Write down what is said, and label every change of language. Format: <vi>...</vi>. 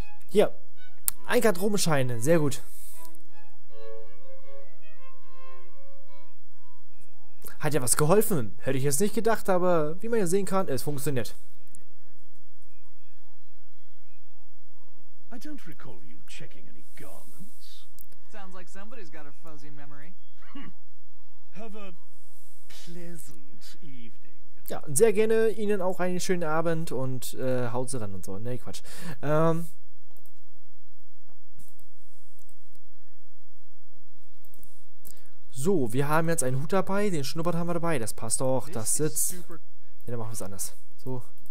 <de>Hier, ein Kardromschein, sehr gut. Hat ja was geholfen, hätte ich jetzt nicht gedacht, aber wie man ja sehen kann, es funktioniert.</de> <en>I don't recall you checking any garments. Sounds like somebody's got a fuzzy memory. Have a pleasant evening.</en> <de>Ja, sehr gerne Ihnen auch einen schönen Abend und haut sie ran und so. Nee, Quatsch. So, wir haben jetzt einen Hut dabei, den Schnurrbart haben wir dabei, das passt doch, das sitzt. Ja, dann machen wir es anders. So.</de>